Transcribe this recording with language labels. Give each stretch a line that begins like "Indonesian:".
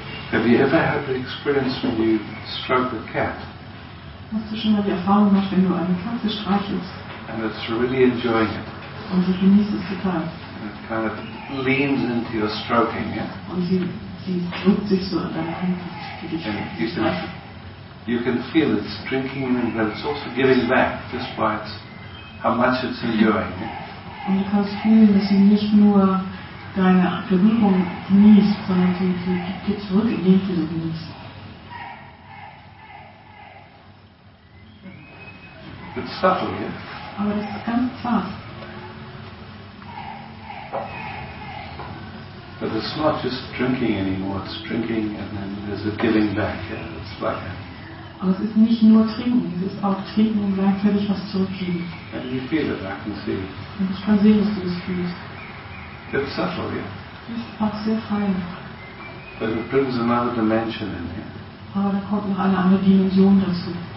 English: Have you ever had the experience when you stroke a cat?
German: Hast du schon mal die Erfahrung gemacht, wenn du eine Katze streichelst?
English: And it's really enjoying it.
German: Und sie genießt es total.
English: It kind of leans into your stroking, yeah?
German: Und sie drückt sich so an deine Hand, die dich streichelt.
English: You can feel it's drinking, but it's also giving back, despite how much it's enjoying.
German: Und du kannst fühlen, dass sie nicht nur deine Berührung genießt, sondern sie gibt dir zurück, indem sie sie genießt.
English: It's subtle, yeah?
German: Aber das ist ganz zart.
English: But it's not just drinking anymore, it's drinking and then there's a giving back. Yeah? It's like a...
German: Aber es ist nicht nur trinken, es ist auch trinken und gleichzeitig was zurückgeben.
English: And you feel it, I can see.
German: Und ich kann sehen, dass du das fühlst.
English: It's subtle, yeah?
German: Das ist auch sehr fein.
English: But it brings another dimension in here.
German: Aber da kommt noch eine andere Dimension dazu.